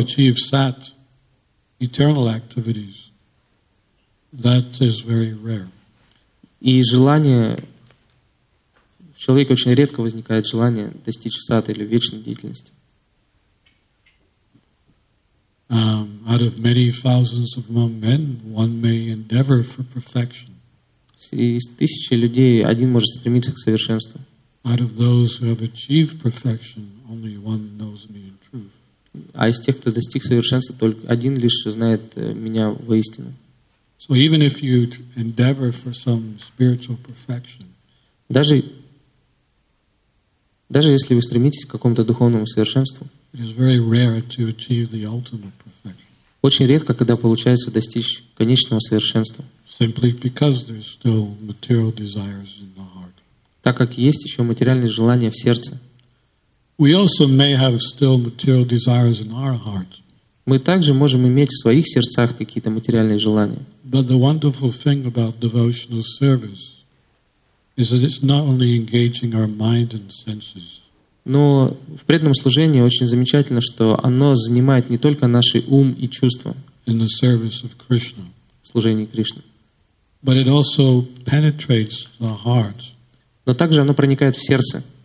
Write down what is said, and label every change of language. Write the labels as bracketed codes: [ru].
[en] to achieve sat, eternal activities, that is very rare. [ru] И желание, в человеке очень редко возникает желание достичь сат или вечной деятельности. [en] Out of many thousands of men, one may endeavor for perfection. [ru] Из тысячи людей один может стремиться к совершенству. [en] Out of those who have achieved perfection, only one knows me in truth. [ru] А из тех, кто достиг совершенства, только один лишь знает меня воистину. [en] So even if you endeavor for some spiritual perfection, [ru] даже если вы стремитесь к какому-то духовному совершенству, [en] it is very rare to achieve the ultimate perfection. [ru] Очень редко, когда получается достичь конечного совершенства. [en] Simply because there's still material desires in the heart. [ru] Так как есть еще материальные желания в сердце. [en] We also may have still material desires in our hearts. [ru] Мы также можем иметь в своих сердцах какие-то материальные желания. [en] But the wonderful thing about devotional service is that it's not only engaging our mind and senses. [ru] Но в преданном служении очень замечательно, что оно занимает не только наши ум и чувства. [en] In the service of Krishna. [ru] В служении Кришны. [en] But it also penetrates the heart. [ru] Но также оно проникает в сердце.